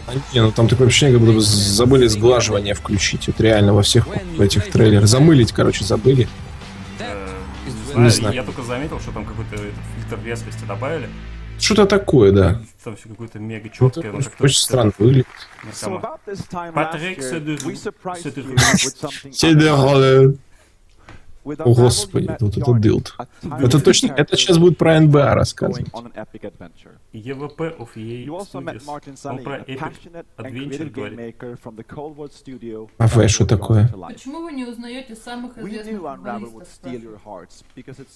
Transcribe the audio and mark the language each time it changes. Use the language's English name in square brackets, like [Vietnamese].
[Russian] А, не, ну там такое ощущение, как будто бы забыли сглаживание включить. Вот реально во всех этих трейлерах. Замылить, короче, забыли. Не знаю. Я только заметил, что там какой-то фильтр резкости добавили. Что-то такое, да. Там все какое-то мега четкое. Ну, как очень странно выглядит. [English] So about this time last year, we surprised you with something. [Russian] О, господи, вот это дилд. Это точно, это сейчас будет про NBA рассказывать. EVP of EA Studios. Он про Epic Adventure говорит. А вы что такое? Почему вы не узнаете самых известных порноактеров?